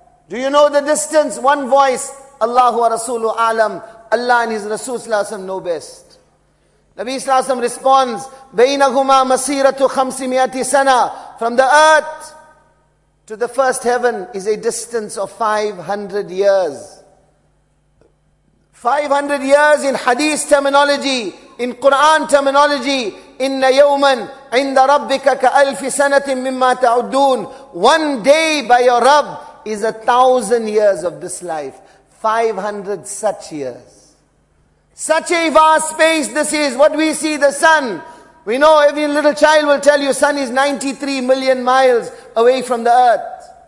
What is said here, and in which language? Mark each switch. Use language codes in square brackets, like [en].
[en] Do you know the distance? One voice, Allahu wa Rasulu Alam, Allah and His Rasul sallallahu alayhi wa sallam know best. Nabi sallallahu alayhi wa sallam responds, [ar] بَيْنَهُمَا مَسِيرَةُ خَمْسِمِيَةِ سَنَى. [en] From the earth to the first heaven is a distance of 500 years. 500 years in hadith terminology, in Quran terminology, [ar] إِنَّ يَوْمًا عِنْدَ رَبِّكَ كَأَلْفِ سَنَةٍ مِمَّا تَعُدُّونَ. [en] One day by your Rabb is 1,000 years of this life. 500 such years. Such a vast space this is. What we see, the sun. We know every little child will tell you, sun is 93 million miles away from the earth.